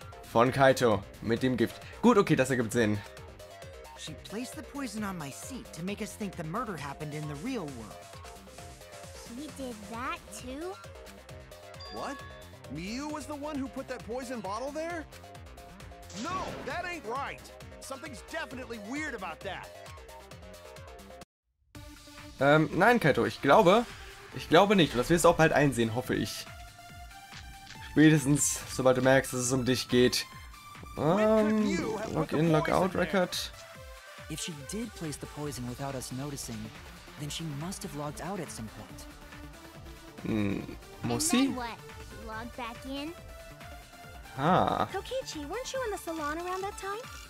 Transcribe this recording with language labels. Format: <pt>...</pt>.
<de>Von Kaito. Mit dem Gift. Gut, okay, das ergibt Sinn.</de> <en>She placed the poison on my seat to make us think the murder happened in the real world. She did that too? What? Miu was the one who put that poison bottle there? No, that ain't right. Something's definitely weird about that.</en> <de>Nein, Kaito, ich glaube nicht. Und das wirst du auch bald einsehen, hoffe ich. Spätestens, sobald du merkst, dass es um dich geht.</de> <en>Lock-in, lock-out record. If she did place the poison without us noticing, then she must have logged out at some point.</en> <de>Muss sie?</de> <en>Log back in. Ah. Kokichi, weren't you in the salon around that time?</en>